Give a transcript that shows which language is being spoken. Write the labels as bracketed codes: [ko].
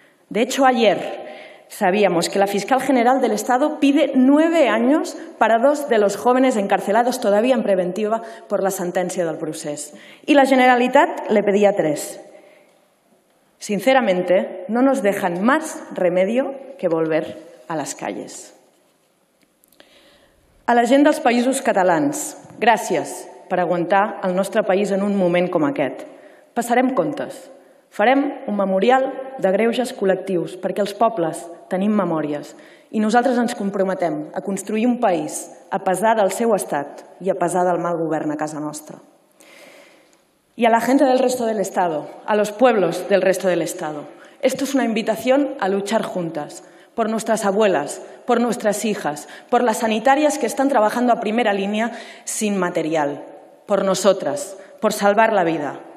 [es] De hecho, ayer sabíamos que la fiscal general del Estado pide 9 años para 2 de los jóvenes encarcelados todavía en preventiva por la sentencia del procés. Y la Generalitat le pedía 3. Sinceramente, no nos dejan más remedio que volver a las calles. [ca] A la gent dels Països Catalans, gràcies per aguantar el nostre país en un moment com aquest. Passarem comptes. Farem un memorial de greuges col·lectius perquè els pobles tenim memòries i nosaltres ens comprometem a construir un país a pesar del seu estat i a pesar del mal govern a casa nostra. I a la gent [es] del resto del Estado, a los pueblos del resto del Estado, Esto es una invitación a luchar juntas, por nuestras abuelas, por nuestras hijas, por las sanitarias que están trabajando a primera línea sin material, por nosotras, por salvar la vida.